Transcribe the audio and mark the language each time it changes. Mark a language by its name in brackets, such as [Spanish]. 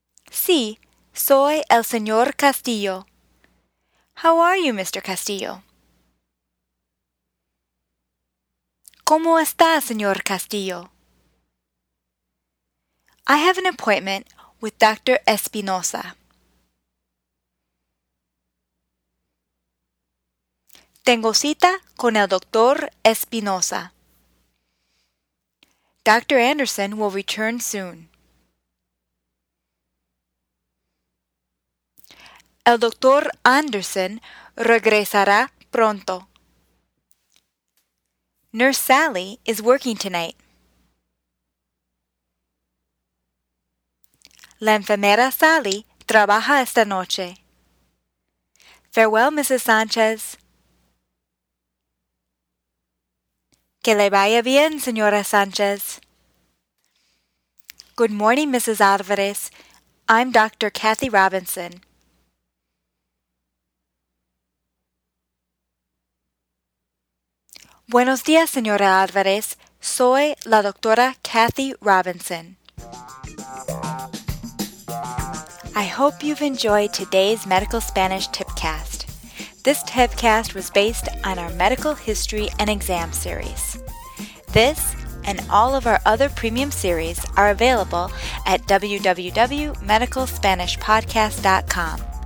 [Spanish] Sí, soy el señor Castillo. [English] How are you, Mr. Castillo? [Spanish] ¿Cómo está, señor Castillo? [English] I have an appointment with Dr. Espinosa. [Spanish] Tengo cita con el doctor Espinosa. [English] Dr. Anderson will return soon. [Spanish] El doctor Anderson regresará pronto. [English] Nurse Sally is working tonight. [Spanish] La enfermera Sally trabaja esta noche. [English] Farewell, Mrs. Sánchez. [Spanish] Que le vaya bien, señora Sánchez. [English] Good morning, Mrs. Alvarez. I'm Dr. Kathy Robinson. [Spanish] Buenos días, señora Álvarez. Soy la doctora Kathy Robinson. [English] I hope you've enjoyed today's Medical Spanish Tipcast. This tipcast was based on our Medical History and Exam series. This and all of our other premium series are available at www.medicalspanishpodcast.com.